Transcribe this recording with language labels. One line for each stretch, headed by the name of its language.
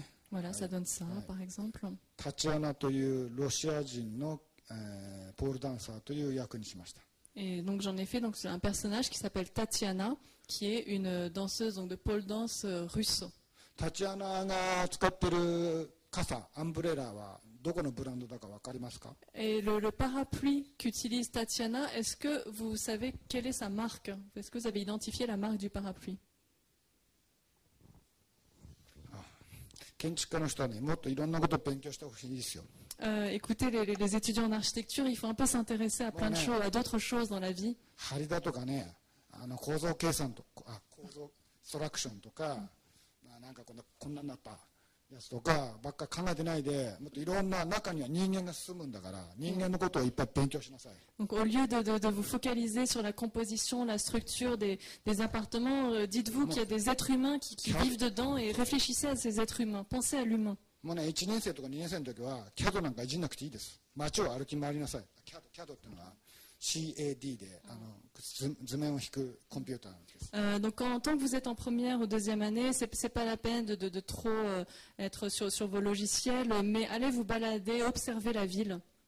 French: Voilà, ça donne ça, par exemple.
Japanese: Tatiana, というロシア人のポールダンサーという役にしました。
French: Et donc j'en ai fait donc un personnage qui s'appelle Tatiana, qui est une danseuse donc de pole dance russe.
Japanese: Tatiana が使ってる傘、アンブレラは。どこのブランドだか分かりますか?
French: Et le parapluie qu'utilise Tatiana, est-ce que vous savez quelle est sa marque? Est-ce que vous avez identifié la marque du parapluie?
Japanese: 建築家の人はね、もっといろんなことを勉強してほしいですよ。
French: Écoutez, les étudiants en architecture, il faut un peu s'intéresser à plein de choses, à d'autres choses dans la vie.
Japanese: 張りだとかね、構造計算とか、構造ストラクションとか、なんかこんなになった。とかばっか考えてないで、もっといろんな中には人間が住むんだから、人間のことをいっぱい勉強しなさい。
French: Donc, au lieu de vous focaliser sur la composition, la structure des appartements, dites-vous qu'il y a des êtres humains qui vivent dedans et réfléchissez à ces êtres humains. Pensez à l'humain.
Japanese: もうね、1年生とか2年生の時は、CADなんかいじんなくていいです。街を歩き回りなさい。CAD っていうのは、 CAD で、あの、図面を引くコンピューターなんです。
French: Donc, tant que vous êtes en première ou deuxième année, ce n'est pas la peine de trop être sur vos logiciels, mais allez vous balader, observer la ville.